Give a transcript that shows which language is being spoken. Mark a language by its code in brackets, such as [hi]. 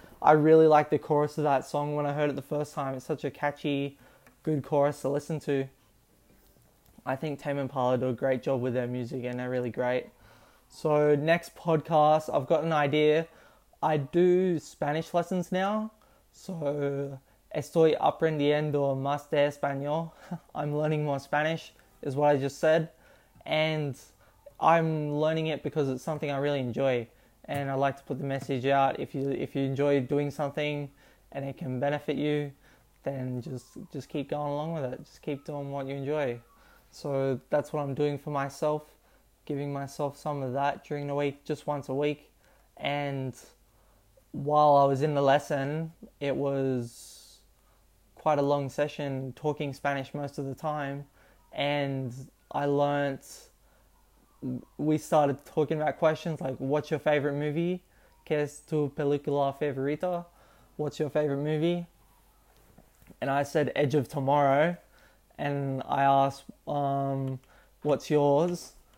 [en] I really like the chorus of that song when I heard it the first time. It's such a catchy, good chorus to listen to. I think Tame Impala do a great job with their music and they're really great. So next podcast, I've got an idea. I do Spanish lessons now. [es] So estoy aprendiendo más de español. [en] I'm learning more Spanish is what I just said. And I'm learning it because it's something I really enjoy. And I'd like to put the message out. If you enjoy doing something and it can benefit you, then just keep going along with it. Just keep doing what you enjoy. So that's what I'm doing for myself, giving myself some of that during the week, just once a week. And while I was in the lesson, it was quite a long session, talking Spanish most of the time. And I learned, we started talking about questions like, what's your favorite movie? [es] ¿Qué es tu película favorita? [en] What's your favorite movie? And I said, Edge of Tomorrow. And I asked, what's yours?